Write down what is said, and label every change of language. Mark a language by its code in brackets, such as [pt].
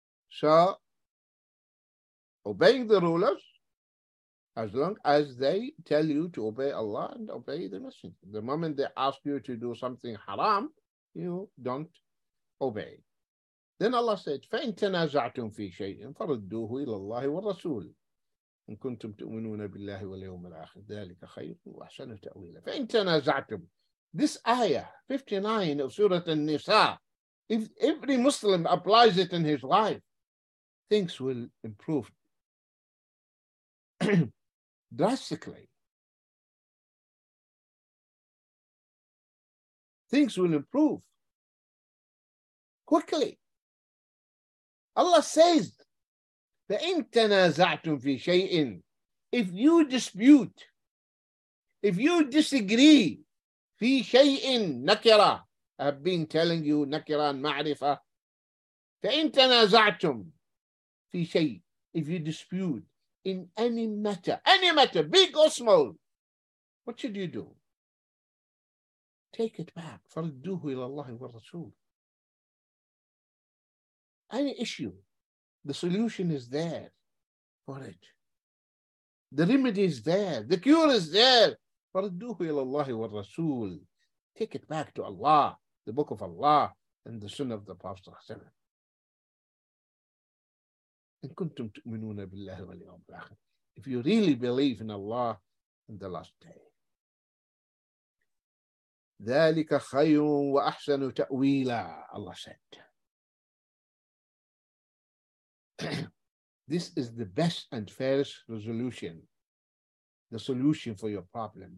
[en] So, obeying the rulers, as long as they tell you to obey Allah and obey the messenger. The moment they ask you to do something haram, you don't obey. Then Allah said, [ar] فَإِنْ تَنَازَعْتُمْ فِي شَيْءٍ فَرَدُّوهُ إِلَى اللَّهِ وَالرَّسُولِ إِنْ كُنْتُمْ تُؤْمِنُونَ بِاللَّهِ وَالْيَوْمِ الْآخِرِ ذَلِكَ خَيْرٌ وَأَحْسَنُ تَأْوِيلًا فَإِنْ تَنَازَعْتُمْ. [en] This ayah, 59 of Surah An-Nisa, if every Muslim applies it in his life, things will improve drastically. Things will improve quickly. Allah says, [ar] فَإِنْ تَنَازَعْتُمْ فِي شَيْءٍ. [en] If you dispute, if you disagree, [ar] في شيء نكرة, [en] I've been telling you نكرة and معرفة. [ar] فإن تنازعتم في شيء, [en] if you dispute, in any matter, big or small, what should you do? Take it back. [ar] فَرَدُّوهُ إِلَى اللَّهِ وَالرَّسُولِ. [en] Any issue, the solution is there for it. The remedy is there. The cure is there. [ar] فَرَدُّوهُ إِلَى اللَّهِ وَالرَّسُولِ. [en] Take it back to Allah, the Book of Allah, and the Sunnah of the Prophet ﷺ. [ar] إن كنتم تؤمنون بالله واليوم الآخر. [en] If you really believe in Allah and the last day. [ar] ذلك خير وأحسن تأويلا. [en] Allah said. This is the best and fairest resolution. The solution for your problem.